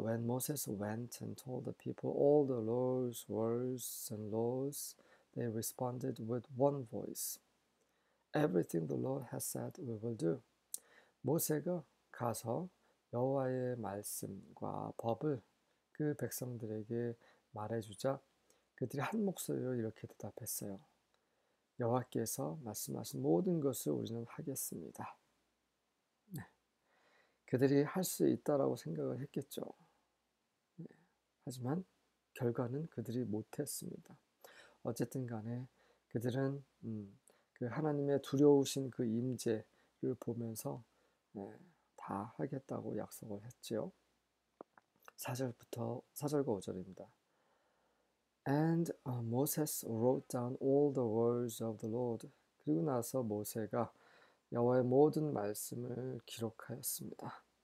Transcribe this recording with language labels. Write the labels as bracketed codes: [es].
[en] When Moses went and told the people all the Lord's words and laws, they responded with one voice. Everything the Lord has said, we will do. [ko] 모세가 가서 여호와의 말씀과 법을 그 백성들에게 말해주자 그들이 한 목소리로 이렇게 대답했어요. 여호와께서 말씀하신 모든 것을 우리는 하겠습니다. 그들이 할수 있다라고 생각을 했겠죠. 하지만 결과는 그들이 못했습니다. 어쨌든 간에 그들은 그 하나님의 두려우신 그 임재를 보면서 다 하겠다고 약속을 했지요. 4절과 5절입니다. [en] And Moses wrote down all the words of the Lord. [ko] 그리고 나서 모세가 여호와의 모든 말씀을 기록하였습니다.